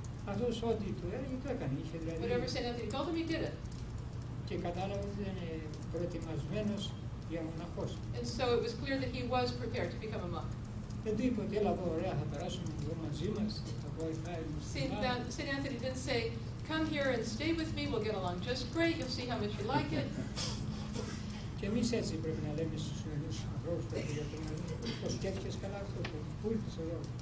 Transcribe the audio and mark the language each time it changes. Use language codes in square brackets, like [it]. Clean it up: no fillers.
[el] Αυτός ό,τι του έλεγε το έκανε, είχε δηλαδή. [en] Whatever St. Anthony told him, he did it. [el] Και κατάλαβε ότι ήταν προετοιμασμένος για μοναχός. [en] And so it was clear that he was prepared to become a monk. [el] Δεν του είπε ότι έλα εδώ, ωραία, θα περάσουμε εδώ μαζί μας, θα βοηθάει. [en] St. Anthony didn't say, come here and stay with me, we'll get along just great, you'll see how much you like it. [el] Και εμείς έτσι πρέπει να λέμε στους νέους ανθρώπους, πρέπει να λέμε, το σκέφτηκες καλά αυτό, που ήρθες εδώ.